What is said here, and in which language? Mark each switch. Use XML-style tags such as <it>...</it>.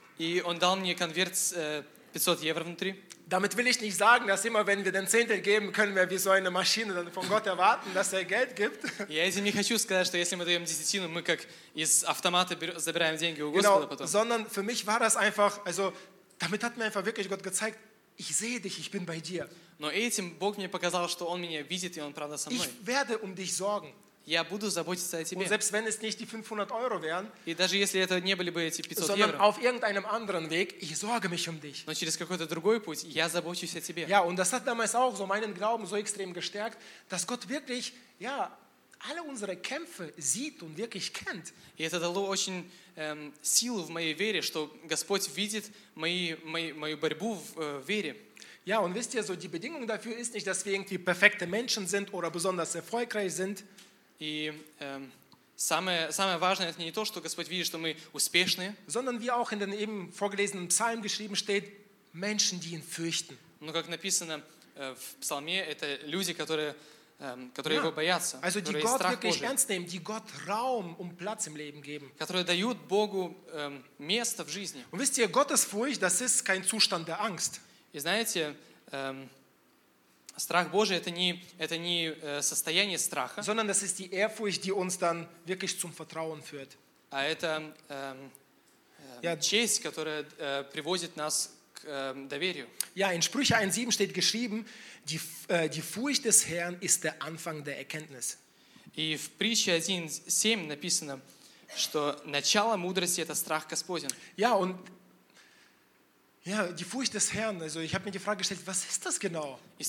<ru>И он дал мне конверт с 500 евро внутри.</ru> <de>Damit will ich nicht sagen, dass immer, wenn wir den Zehntel geben, können wir wie so eine Maschine dann von Gott erwarten, dass er Geld gibt.</de> <ru>Я этим не хочу сказать, что если мы даем десятину, мы как из автомата забираем деньги у Господа потом.</ru> <de>Sondern für mich war das einfach, also damit hat mir einfach wirklich Gott gezeigt, ich sehe dich, ich bin bei dir.</de> <ru>Но этим Бог мне показал, что Он меня видит и Он правда со мной.</ru> <de>Ich werde um dich sorgen.</de> <ru>Я буду заботиться о тебе.</ru> <de>Und selbst wenn es nicht die 500 Euro wären,</de> <ru>и даже если это не были бы эти 500 евро,</ru> <de>sondern auf irgendeinem anderen Weg, ich sorge mich um dich.</de> <ru>Но через какой-то другой путь я забочусь о тебе.</ru> <de>Ja, und das hat damals auch so meinen Glauben so extrem gestärkt, dass Gott wirklich, ja, alle unsere Kämpfe sieht und wirklich kennt.</de> <ru>И это дало очень силу в моей вере, что Господь видит мою борьбу в вере.</ru> <de>Ja, und wisst ihr, so die Bedingung dafür ist nicht, dass wir irgendwie perfekte Menschen sind oder besonders erfolgreich sind.</de> <ru>И Самое важное это не то, что Господь видит, что мы успешны,</ru> <de>sondern wie auch in den eben vorgelesenen Psalmen geschrieben steht, Menschen, die ihn fürchten.</de> <ru>Но как написано в Псалме, это люди, которые его боятся,</ru> <de>also die Gott wirklich ernst nehmen, die Gott Raum und Platz im Leben geben.</de> <ru>Которые дают Богу место в жизни.</ru> <de>Und wisst ihr, Gottesfurcht, das ist kein Zustand der Angst.</de> <ru>И знаете, страх Божий это не состояние страха,</ru> <de>sondern das ist die Ehrfurcht, die uns dann wirklich zum Vertrauen führt.</de> <ru>А это честь, которая приводит нас к доверию.</ru> <de>Ja, in Sprüche 1,7 steht geschrieben, die Furcht des Herrn ist der Anfang der Erkenntnis.</de> <ru>И в Притче 1,7 написано, что начало мудрости это страх Господен.</ru> <de>Ja, und ja, die Furcht des Herrn, also ich habe mir die Frage gestellt, was ist das genau?</de>